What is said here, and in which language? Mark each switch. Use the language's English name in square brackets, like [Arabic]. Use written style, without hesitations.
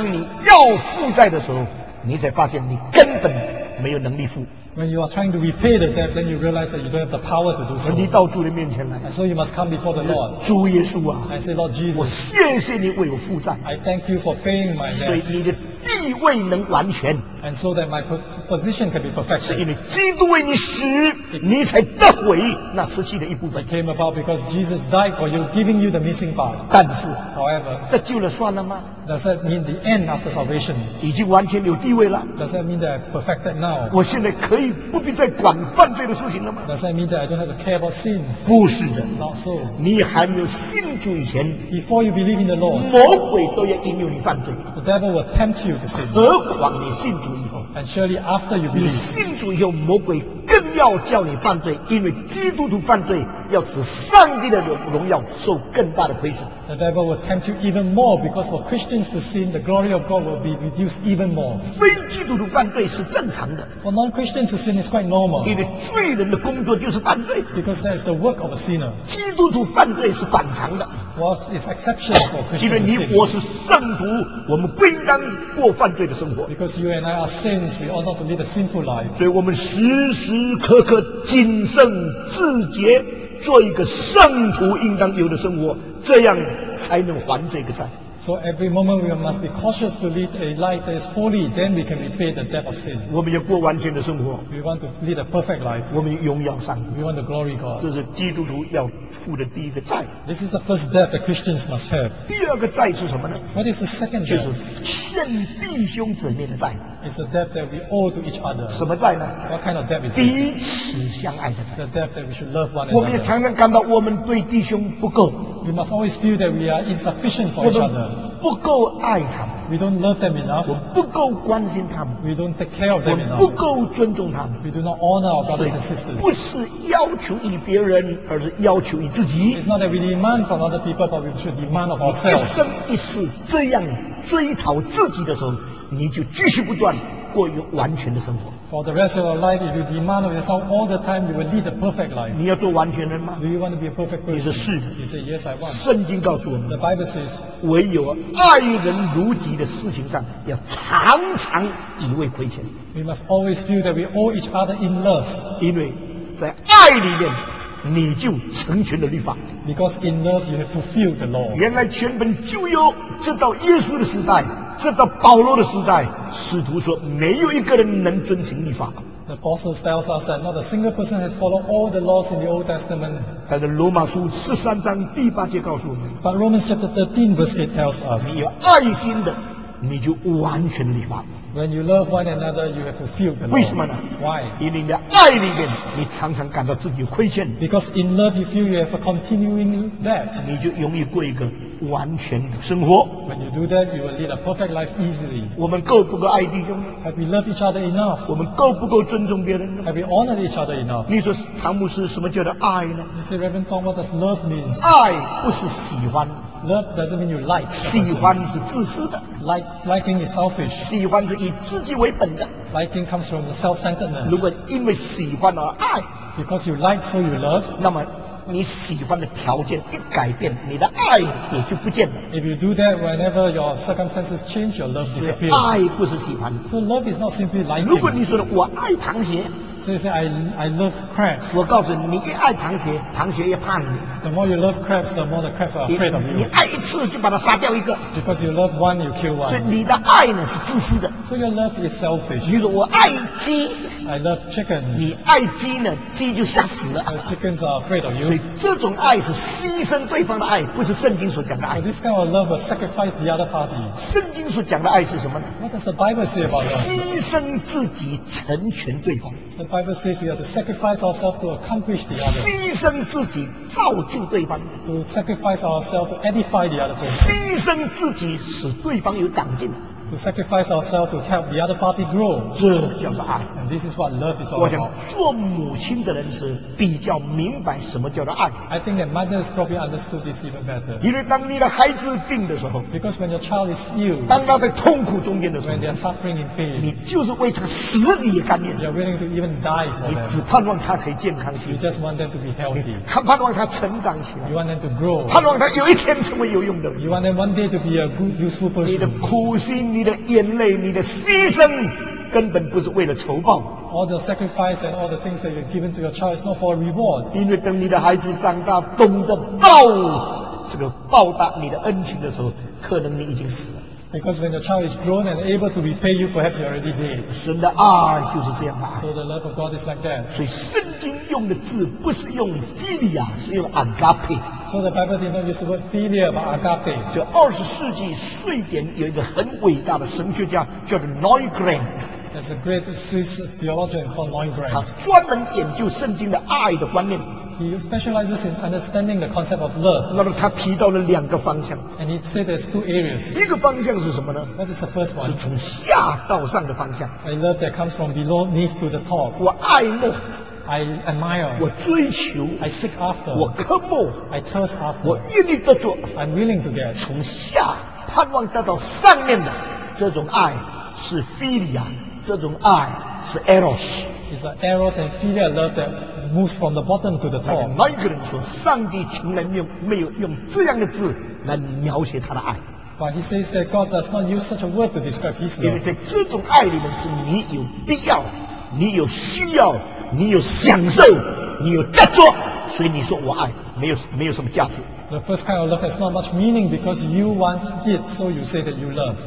[Chinese] 当你要负债的时候，你才发现你根本没有能力付。 [English] When you are trying to repay the debt, then you realize that you don't have the power to do so. [Chinese] 你到主的面前来。 [English] So you must come before the Lord. [Chinese] 主耶稣啊。 [English] I say, Lord Jesus. [Chinese] 我谢谢你为我付债。 [English] I thank you for paying my debt. [Chinese] 所以你的地位能完全。 [English] And so that my position can be perfected. [Chinese] 是因为基督为你死，你才得回那失去的一部分。 [English] It came about because Jesus died for you, giving you the missing part. [Chinese] 但是 [English] ，However， [Chinese] 得救了算了吗？ [English] Does that mean the end after salvation? [Chinese] 已经完全有地位了。 [English] Does that mean that I'm perfected now? [Chinese] 我现在可以不必再管犯罪的事情了吗？ [English] Does that mean that I don't have to care about sins? [Chinese] 不是的。 [English] Not so. [Chinese] 你还没有信主以前 [English] ，Before you believe in the Lord， [Chinese] 魔鬼都要引诱你犯罪。 [English] The devil will tempt you to sin. [Chinese] 何况你信主。 [English] And surely after you believe, [Chinese] 你信主以后，魔鬼更要叫你犯罪，因为基督徒犯罪要使上帝的荣耀受更大的亏损。 [English] The devil will tempt you even more because for Christians to sin, the glory of God will be reduced even more. [Chinese] 非基督徒犯罪是正常的。 [English] For non-Christians to sin is quite normal. [Chinese] 因为罪人的工作就是犯罪。 [English] Because that is the work of a sinner. [Chinese] 基督徒犯罪是反常的。 [English] Whilst it's exceptional for Christians to sin. [Chinese] 因为你我是圣徒，我们不应当过犯罪的生活。 [English] Because you and I are saints, we ought not to live a sinful life. [Chinese] 所以我们时时刻刻谨慎自洁。做一个圣徒应当有的生活，这样才能还这个债。 [English] So every moment we must be cautious to lead a life that is holy, then we can repay the debt of sin. [Chinese] 我们要过完全的生活。 [English] We want to lead a perfect life. [Chinese] 我们荣耀上帝。 [English] We want to glory God. [Chinese] 这是基督徒要付的第一个债。 [English] This is the first debt that Christians must have. [Chinese] 第二个债是什么呢 [English] ？What is the second debt? [Chinese] 就是欠弟兄姊妹的债。 [English] It's the debt that we owe to each other. [Chinese] 什么债呢 [English] ？What kind of debt is this? [Chinese] 彼此相爱的债。 [English] The debt that we should love one another. [Chinese] 我们也常常感到我们对弟兄不够。 [English] We must always feel that we are insufficient for each other. [Chinese] 不够爱他们。 [English] We don't love them enough. [Chinese] 我不够关心他们。 [English] We don't take care of them enough. [Chinese] 不够尊重他们。 [English] We do not honor our brothers and sisters. [Chinese] 不是要求于别人，而是要求于自己。 [English] It's not that we demand from other people, but we should demand of ourselves. [Chinese] 一生一世这样追讨自己的时候。你就继续不断过一个完全的生活。 [English] For the rest of your life, if you demand of yourself all the time, you will lead a perfect life. [Chinese] 你要做完全人吗 [English] ？Do you want to be a perfect person? [Chinese] 你是是。 [English] You say yes, I want. [Chinese] 圣经告诉我们 [English] ，The Bible says, [Chinese] 唯有爱人如己的事情上，要常常以为亏欠。 [English] We must always feel that we owe each other in love. [Chinese] 因为在爱里面。你就成全了律法 [English] Because in love you have fulfilled the law [Chinese] 原来全本旧约直到耶稣的时代直到保罗的时代使徒说没有一个人能遵行律法 [English] The apostles tells us that not a single person has followed all the laws in the Old Testament [Chinese] 但是罗马书十三章第八节告诉我们 [English] But Romans chapter 13 verse 8 tells us [Chinese] 你有爱心的你就完全律法 [English] When you love one another, you have fulfilled the law. [Chinese] 为什么呢 [English] ？Why？ [Chinese] 因为你的爱里面，你常常感到自己亏欠。 [English] Because in love, you feel you have a continuing debt. [Chinese] 你就容易过一个完全的生活。 [English] When you do that, you will lead a perfect life easily. [Chinese] 我们够不够爱弟兄 [English] ？Have we loved each other enough？ [Chinese] 我们够不够尊重别人 [English] ？Have we honored each other enough？ [Chinese] 你说唐牧师什么叫做爱呢 [English] ？You say, Reverend Tom, what does love mean？ [Chinese] 爱不是喜欢。 [English] Love doesn't mean you like. [Chinese] 喜欢是自私的。 [English] Liking is selfish. [Chinese] 喜欢是以自己为本的。 [English] Liking comes from the self-centeredness. [Chinese] 如果因为喜欢而爱 [English] ，because you like so you love， [Chinese] 那么你喜欢的条件一改变，你的爱也就不见了。 [English] If you do that, whenever your circumstances change, your love disappears. [Chinese] 所以爱不是喜欢。 [English] So love is not simply liking. [Chinese] 如果你说我爱螃蟹。 [English] So you say, I love crabs. [Chinese] 我告诉你，你一爱螃蟹，螃蟹也怕你。 [English] The more you love crabs, the more the crabs are afraid of you. [Chinese] 你爱一次就把它杀掉一个。 [English] Because you love one, you kill one. [Chinese] 所以你的爱呢是自私的。 [English] So your love is selfish. [Chinese] 比如我爱鸡。 [English] I love chickens. [Chinese] 你爱鸡呢，鸡就吓死了。 [English] The chickens are afraid of you. [Chinese] 所以这种爱是牺牲对方的爱，不是圣经所讲的爱。 [English] This kind of love will sacrifice the other party. [Chinese] 圣经所讲的爱是什么呢 [English] ？What does the Bible say about love? [Chinese] 牺牲自己成全对方。 [English] The Bible says we have to sacrifice ourselves to accomplish the other. [Chinese] 牺牲自己造就对方。 [English] To sacrifice ourselves to edify the other person. [Chinese] 牺牲自己使对方有长进。 [English] To sacrifice ourselves to help the other party grow. [Chinese] 这叫做爱。 [English] And this is what love is all [Chinese] 我想做母亲的人是比较明白什么叫做爱。 [English] I think that mothers probably understood this even better. [Chinese] 因为当你的孩子病的时候。 [English] Because when your child is ill. [Chinese] 当他在痛苦中间的时候。 [English] When they are suffering in pain. [Chinese] 你就是为他死你也甘愿。 [English] You're willing to even die for them. [Chinese] 你只盼望他可以健康起来。 [English] You just want them to be healthy. [Chinese] 他盼望他成长起来。 [English] You want them to grow. [Chinese] 盼望他有一天成为有用的人。 [English] You want them one day to be a good, useful person. [Chinese] 你的苦心你的眼泪，你的牺牲，根本不是为了酬报。 [English] All the sacrifice and all the things that you've given to your child is not for a reward. [Chinese] 因为等你的孩子长大，懂得报这个报答你的恩情的时候，可能你已经死了。 [English] Because when your child is grown and able to repay you, perhaps you already did. [Chinese] 神的爱就是这样啊。 [English] So the love of God is like that. [Chinese] 所以圣经用的字不是用 philia， 是用 agape。 [English] So the Bible did not use the word philia but agape. [Chinese] 就二十世纪瑞典有一个很伟大的神学家叫做 Neugren。 [English] There's a great Swiss theologian called Neugren. [Chinese] 他专门研究圣经的爱的观念。 [English] He specializes in understanding the concept of love. [Chinese] 那么他提到了两个方向。 [English] And he said there's two areas. [Chinese] 一个方向是什么呢 [English] ？That is the first one. [Chinese] 是从下到上的方向。 [English] A love that comes from below, beneath to the top. [Chinese] 我爱慕。 [English] I admire. [Chinese] 我追求。 [English] I seek after. [Chinese] 我渴慕。 [English] I thirst after. [Chinese] 我愿意得着。 [English] I'm willing to get. [Chinese] 从下盼望得到上面的这种爱是 philia， 这种爱是 eros。 [English] It's an eros and philia love that moves from the bottom to the top. [Chinese] 那个人说，上帝从来没有用这样的字来描写他的爱。 [English] But he says that God does not use such a word to describe his love. [Chinese] 因为在这种爱里面，是你有必要，你有需要，你有享受，你有得着，所以你说我爱，没有什么价值。 [English] The first kind of love has not much meaning because you want it, so you say that you love.